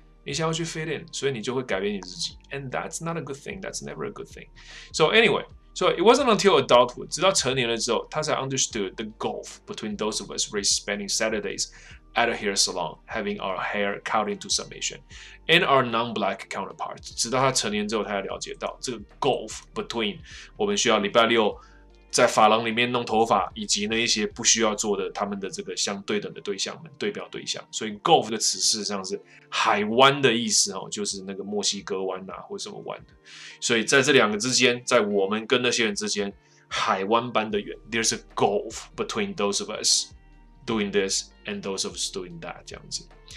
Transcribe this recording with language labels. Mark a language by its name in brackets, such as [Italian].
[Chinese] 你想要去 [English] fit in, [Chinese] 所以你就会改变你自己。 [English] And that's not a good thing, that's never a good thing. So anyway, so it wasn't until adulthood, [Chinese] 直到成年了之后，他才 [English] understood the gulf between those of us really spending Saturdays at a hair salon, having our hair cut into submission, and our non-black counterparts. [Chinese] 直到他成年之后，他才了解到这个 [English] gulf between [Chinese] 我们需要礼拜六在发廊里面弄头发，以及那一些不需要做的他们的这个相对等的对象们，对标对象。所以 Gulf 的词事实上是海湾的意思，就是那个墨西哥湾啊或什么湾的。所以在这两个之间，在我们跟那些人之间，海湾般的远。 [English] There's a Gulf between those of us doing this and those of us doing that, [Chinese] 这样子。